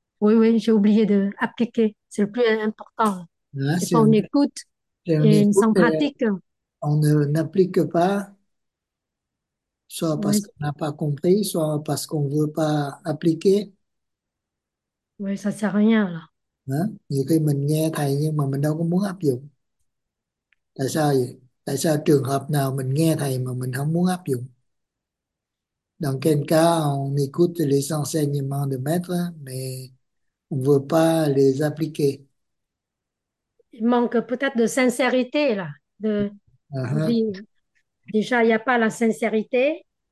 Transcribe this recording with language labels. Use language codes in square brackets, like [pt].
[fr] Oui, j'ai oublié de appliquer. C'est le plus important. Là, Des fois, on écoute si on et écoute, sans pratique. on n'applique pas, soit parce Oui. qu'on n'a pas compris, soit parce qu'on ne veut pas appliquer. Oui, ça sert à rien là. Hein? [vi] Nhiều khi mình nghe thầy nhưng mà mình đâu có muốn áp dụng. Tại sao vậy? Tại sao trường hợp nào mình nghe thầy mà mình không muốn áp dụng? [fr] Dans quel cas, on écoute les enseignements de maître, mais on ne veut pas les appliquer. Il manque peut-être de sincérité là. De on dit déjà, il n'y a pas la sincérité.